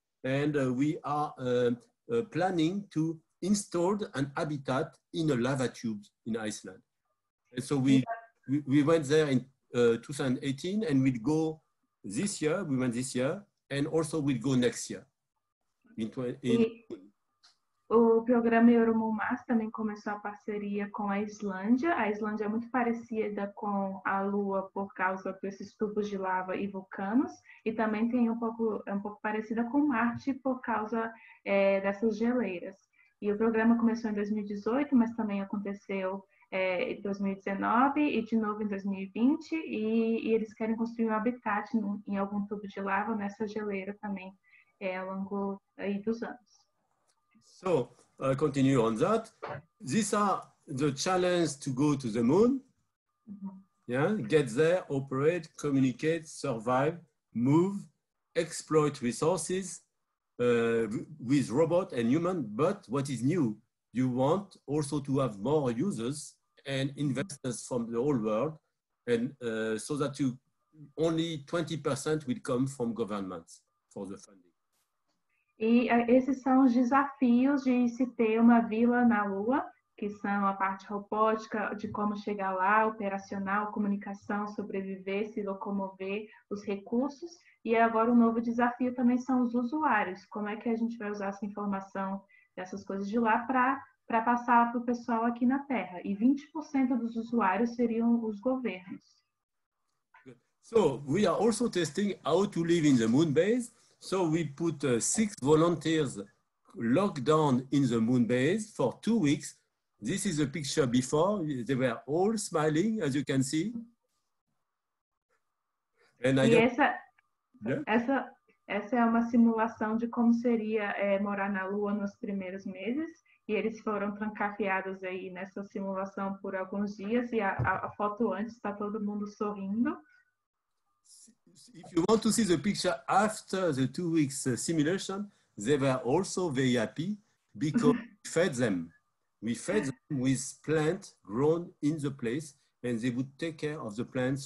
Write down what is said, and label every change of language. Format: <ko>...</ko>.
<en>And we are planning to install an habitat in a lava tube in Iceland. And so we went there in 2018 and we'll go this year, we went this year, and also we'll go next year.</en> <pt>O programa Euromumas também começou a parceria com a Islândia. A Islândia é muito parecida com a Lua por causa desses tubos de lava e vulcanos. E também tem um pouco parecida com Marte por causa é, dessas geleiras. E o programa começou em 2018, mas também aconteceu é, em 2019 e de novo em 2020. E eles querem construir um habitat em algum tubo de lava nessa geleira também é, ao longo aí, dos anos.</pt> <en>So, I'll continue on that. These are the challenges to go to the moon. Mm-hmm. Yeah, get there, operate, communicate, survive, move, exploit resources with robot and human. But what is new? You want also to have more users and investors from the whole world, and so that you only 20% will come from governments for the funding.</en> <pt>E esses são os desafios de se ter uma vila na Lua, que são a parte robótica, de como chegar lá, operacional, comunicação, sobreviver, se locomover, os recursos. E agora o novo desafio também são os usuários. Como é que a gente vai usar essa informação, dessas coisas de lá, para passar para o pessoal aqui na Terra? E 20% dos usuários seriam os governos.</pt> <en>So, we are also testing how to live in the moon base. So we put 6 volunteers locked down in the moon base for 2 weeks. This is a picture before. They were all smiling, as you can see. And I</en> <pt>essa é uma simulação de como seria é, morar na Lua nos primeiros meses. E eles foram trancafiados aí nessa simulação por alguns dias. E a foto antes está todo mundo sorrindo.</pt> <en>If you want to see the picture after the 2 weeks simulation, they were also very happy because we fed them. We fed them with plants grown in the place and they would take care of the plants.</en>